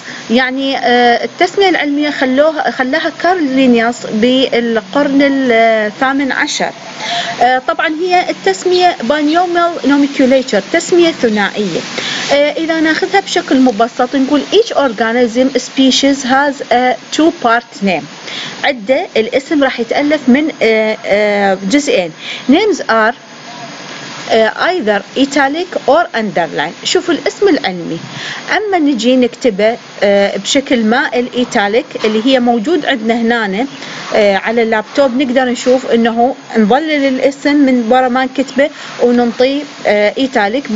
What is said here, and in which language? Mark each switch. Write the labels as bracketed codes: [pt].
[ar] يعني التسمية العلمية خلاها كارل لينياس بالقرن الثامن عشر. طبعا هي التسمية binomial nomenclature، تسمية ثنائية. إذا ناخذها بشكل مبسط نقول [en] each organism species has a two part name. [ar] عدة الاسم راح يتألف من جزئين. [en] Names are either italic or underline. [ar] شوف الاسم العلمي، اما نجي نكتبه بشكل مائل italic اللي هي موجود عندنا هنا على اللابتوب، نقدر نشوف انه نظلل الاسم من برا ما نكتبه ونعطيه italic.